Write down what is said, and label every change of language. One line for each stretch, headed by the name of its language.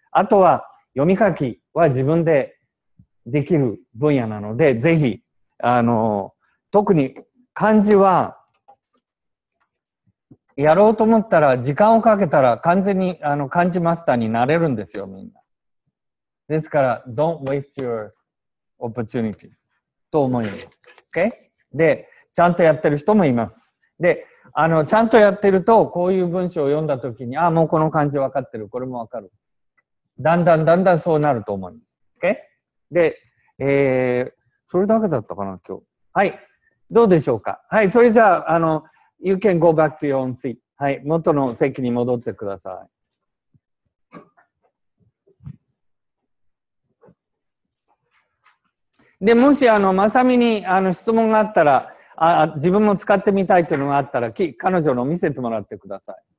Japanese: あとは読み書きは自分でできる分野なので、ぜひあの特に漢字はやろうと思ったら時間をかけたら完全にあの漢字マスターになれるんですよ、みんな。ですから
English: Don't waste your opportunities
Japanese: と思います、okay? でちゃんとやってる人もいます。であのちゃんとやってるとこういう文章を読んだ時に、あもうこの漢字わかってる、これもわかる、だんだんだんだんそうなると思います、okay? で、それだけだったかな今日。はい、どうでしょうか。はい、それじゃあ、あの
English: You can go back to your own seat。
Japanese: はい、元の席に戻ってください。でもしあのまさみにあの質問があったら、あ自分も使ってみたいというのがあったら彼女の見せてもらってください。